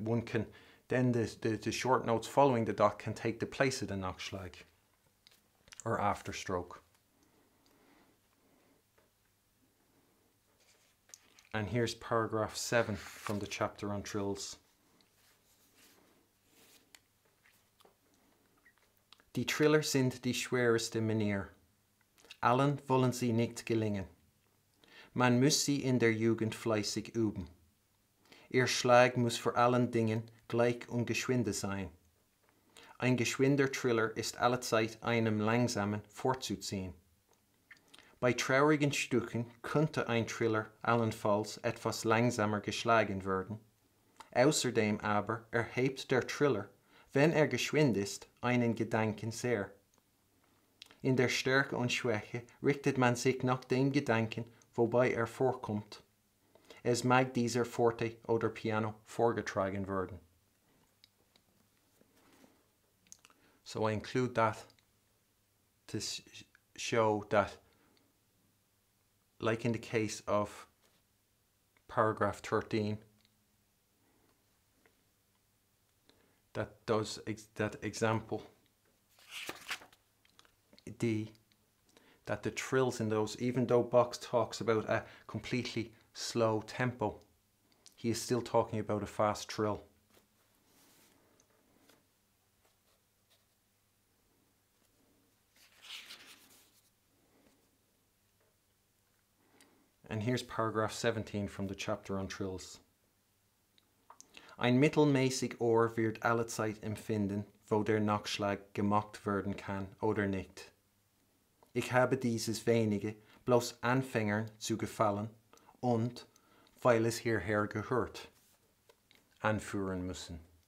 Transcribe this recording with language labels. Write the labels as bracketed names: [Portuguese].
[English] One can, then the short notes following the dot can take the place of the Nachschlag or afterstroke. And here's paragraph 7 from the chapter on trills. [German] Die Triller sind die schwerste Manier, allen wollen sie nicht gelingen. Man muss sie in der Jugend fleißig üben. Ihr Schlag muss vor allen Dingen gleich und geschwinde sein. Ein geschwinder Triller ist allezeit einem langsamen vorzuziehen. Bei traurigen Stücken könnte ein Triller allenfalls etwas langsamer geschlagen werden. Außerdem aber erhebt der Triller, wenn geschwind ist, einen Gedanken sehr. In der Stärke und Schwäche richtet man sich nach dem Gedanken, wobei vorkommt. Es mag dieser Forte oder Piano vorgetragen werden. [English] So I include that to show that, like in the case of paragraph 13, that the trills in those, even though Bach talks about a completely slow tempo, he is still talking about a fast trill. And here's paragraph 17 from the chapter on trills. [German] Ein mittelmäßig Ohr wird allezeit empfinden, wo der Nachschlag gemacht werden kann oder nicht. Ich habe dieses wenige bloß Anfängern zu gefallen und weil es hierher gehört, anführen müssen.